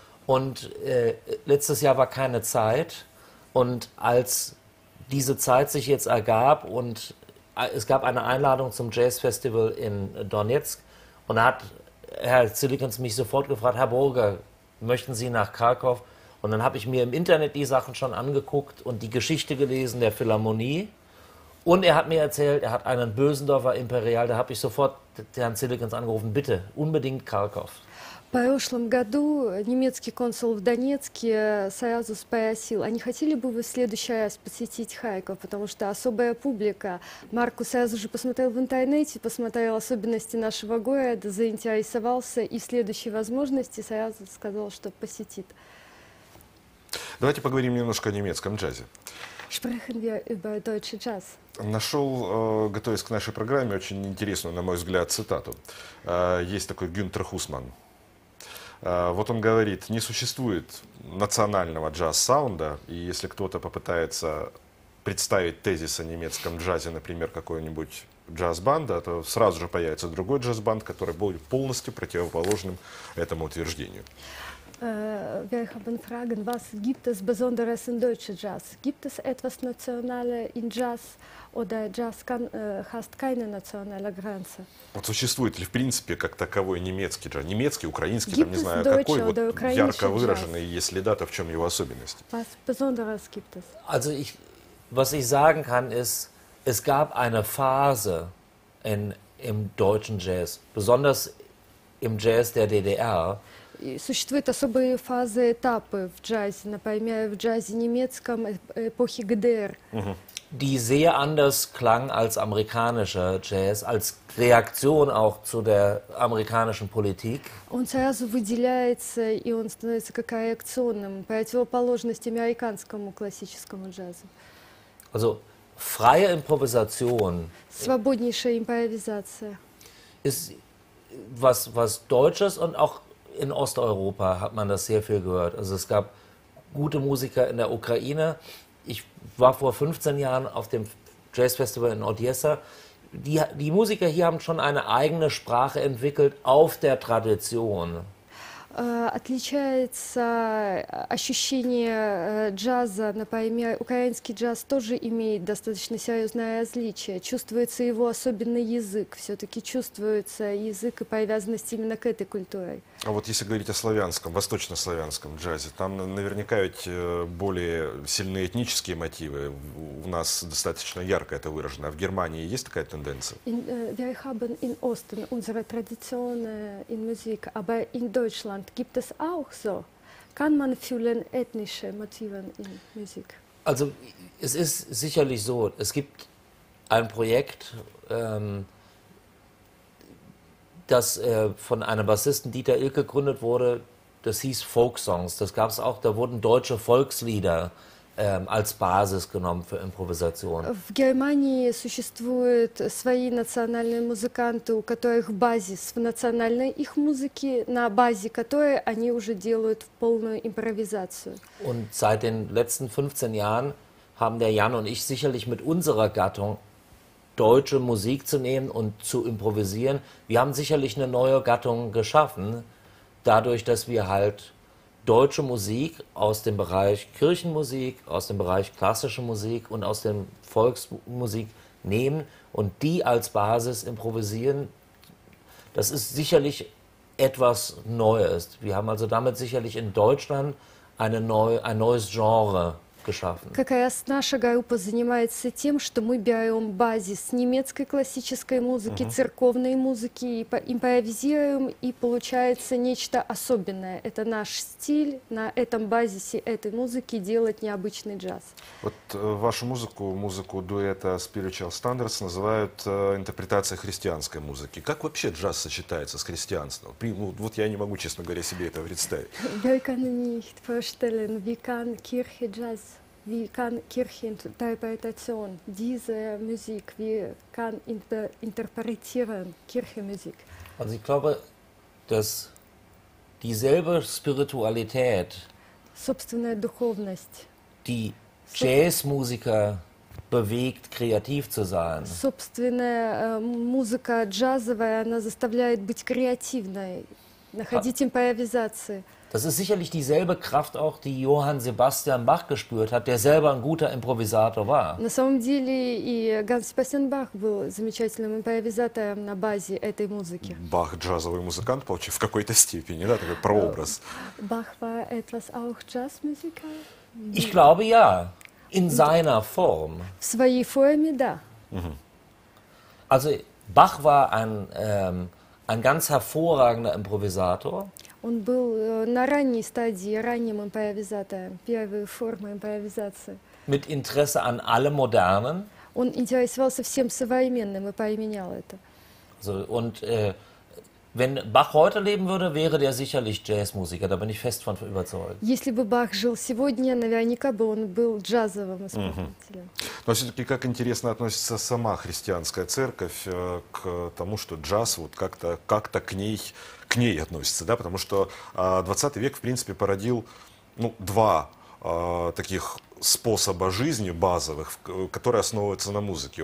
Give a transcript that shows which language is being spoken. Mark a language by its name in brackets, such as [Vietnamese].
[German] Und letztes Jahr war keine Zeit. Und als diese Zeit sich jetzt ergab und es gab eine Einladung zum Jazzfestival in Donetsk und da hat Herr Zillikens mich sofort gefragt, Herr Burger, möchten Sie nach Kharkov? Und dann habe ich mir im Internet die Sachen schon angeguckt und die Geschichte gelesen der Philharmonie. Und er hat mir erzählt, er hat einen Bösendorfer Imperial. Da habe ich sofort Herrn Zillikens angerufen, bitte, unbedingt Kharkov. [Russian] В прошлом году немецкий консул в Донецке сразу спросил, а не хотели бы вы в следующий раз посетить Харьков, потому что особая публика. Маркус сразу же посмотрел в интернете, посмотрел особенности нашего города, заинтересовался и в следующей возможности сразу сказал, что посетит. Давайте поговорим немножко о немецком джазе. [German] Sprechen wir über deutsche Jazz. [Russian] Нашел, готовясь к нашей программе, очень интересную, на мой взгляд, цитату. Есть такой Гюнтер Хусман. Вот он говорит, не существует национального джаз-саунда, и если кто-то попытается представить тезис о немецком джазе, например, какой-нибудь джаз-банда, то сразу же появится другой джаз-банд, который будет полностью противоположным этому утверждению. [German] Wir haben Fragen, was gibt es Besonderes in deutschem Jazz? Gibt es etwas Nationales in Jazz oder Jazz kann, hast keine nationale Grenze? [Russian] Вот существует ли, в принципе, как таковой немецкий джаз? Немецкий, украинский, [German] gibt [Russian] там, не знаю, [German] deutsche, [Russian] какой, вот, ярко выраженный, [German] jazz? [Russian] Если да, то в чем его особенность? [German] Was Besonderes gibt es? Also, ich, was ich sagen kann, ist, es gab eine Phase in, im deutschen Jazz, besonders im Jazz der DDR, [Russian] существуют особые фазы, этапы в джазе, например, в джазе немецком эпохи ГДР. [German] Die sehr anders klang als amerikanischer Jazz, als Reaktion auch zu der amerikanischen Politik. [Russian] Он сразу выделяется, и он становится как реакционным, противоположность американскому классическому джазу. [German] Also, freie Improvisation. [Russian] Свободнейшая импровизация. [German] Ist was, was Deutsches und auch in Osteuropa hat man das sehr viel gehört. Also es gab gute Musiker in der Ukraine. Ich war vor 15 Jahren auf dem Jazz Festival in Odessa. Die Musiker hier haben schon eine eigene Sprache entwickelt auf der Tradition. [Russian] Отличается ощущение джаза, например, украинский джаз тоже имеет достаточно серьезное различие. Чувствуется его особенный язык, все-таки чувствуется язык и привязанность именно к этой культуре. А вот если говорить о славянском, восточнославянском джазе, там наверняка ведь более сильные этнические мотивы. У нас достаточно ярко это выражено. А в Германии есть такая тенденция? [German] Wir haben in Osten unsere Tradition in Musik, aber in Deutschland gibt es auch so? Kann man fühlen ethnische Motive in Musik? Also es ist sicherlich so, es gibt ein Projekt, das von einem Bassisten Dieter Ilk gegründet wurde, das hieß Folk Songs. Das gab es auch, da wurden deutsche Volkslieder als Basis genommen für Improvisation. [Russian] В Германии существуют свои национальные музыканты, у которых базис в национальной их музыке, на базе которой они уже делают полную импровизацию. [German] Und seit den letzten 15 Jahren haben der Jan und ich sicherlich mit unserer Gattung deutsche Musik zu nehmen und zu improvisieren. Wir haben sicherlich eine neue Gattung geschaffen, dadurch, dass wir halt deutsche Musik aus dem Bereich Kirchenmusik, aus dem Bereich klassische Musik und aus dem Volksmusik nehmen und die als Basis improvisieren. Das ist sicherlich etwas Neues. Wir haben also damit sicherlich in Deutschland eine neue, ein neues Genre geschaffen. [Russian] Как раз наша группа занимается тем, что мы берем базис немецкой классической музыки, церковной музыки, и импровизируем, и получается нечто особенное. Это наш стиль на этом базисе этой музыки делать необычный джаз. Вот вашу музыку, музыку дуэта Spiritual Standards называют интерпретацией христианской музыки. Как вообще джаз сочетается с христианством? Вот я не могу, честно говоря, себе это представить. [German] Wie kann nicht vorstellen, wie kann Kirche Jazz? Wie kann Kircheninterpretation diese Musik, wie kann interpretieren Kirchenmusik? Also ich glaube, dass dieselbe Spiritualität, [Russian] собственная духовность, [German] die Jazzmusiker bewegt, kreativ zu sein. [Russian] Собственная музыка джазовая, она заставляет быть креативной, находить импровизации. [German] Das ist sicherlich dieselbe Kraft auch, die Johann Sebastian Bach gespürt hat, der selber ein guter Improvisator war. [Russian] На самом деле и Ганс Себастьян Бах был замечательным импровизатором на базе этой музыки. Бах джазовый музыкант, получил в какой-то степени, да, такой прообраз. [German] Бах war etwas auch Jazzmusiker? Ich glaube ja, in seiner Form. [Russian] В своей форме, да. [German] Also Бах war ein ganz hervorragender Improvisator. [Russian] Он был на ранней стадии ранним импровизатором, первой формой импровизации. [German] Mit Interesse an allem Modernen. [Russian] Он интересовался всем современным и применял это. [German] So, und wenn Bach heute leben würde, wäre der sicherlich Jazzmusiker. Da bin ich fest von überzeugt. [Russian] Если бы Бах жил сегодня, наверняка бы он был джазовым исполнителем. Но все-таки как интересно относится сама христианская церковь к тому, что джаз вот как-то к ней относится, да? Потому что 20 век, в принципе, породил ну, два таких способа жизни базовых, которые основываются на музыке.